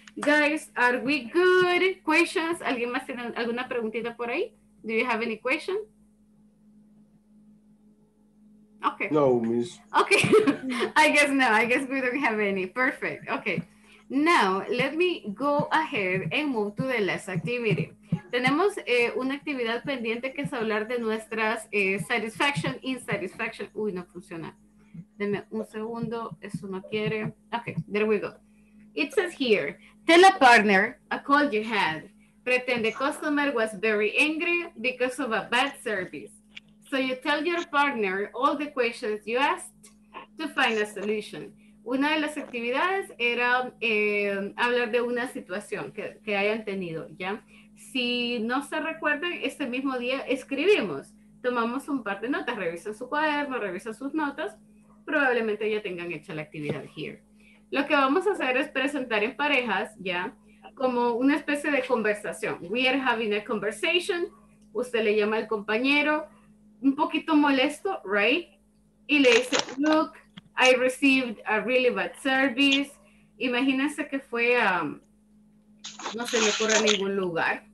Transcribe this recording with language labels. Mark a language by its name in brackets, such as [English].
[English] Guys, are we good? Questions? [Spanish] ¿Alguien más tiene alguna preguntita por ahí? [English] Do you have any question? Okay. No, miss. Okay. I guess we don't have any. Perfect. Okay. Now, let me go ahead and move to the last activity. [Spanish] Tenemos una actividad pendiente que es hablar de nuestras satisfaction, insatisfaction. Uy, no funciona. Deme un segundo. Eso no quiere. [English] Okay, there we go. It says here, tell a partner a call you had. Pretend the customer was very angry because of a bad service. So you tell your partner all the questions you asked to find a solution. [Spanish] Una de las actividades era hablar de una situación que hayan tenido, ¿ya? Si no se recuerdan, este mismo día escribimos. Tomamos un par de notas, revisa su cuaderno, revisa sus notas. Probablemente ya tengan hecha la actividad here. Lo que vamos a hacer es presentar en parejas, ¿ya? Como una especie de conversación. [English] We are having a conversation. [Spanish] Usted le llama al compañero, un poquito molesto, right? Y le dice, [English] look, I received a really bad service. [Spanish] Imagínense que fue a, no se me ocurre a ningún lugar.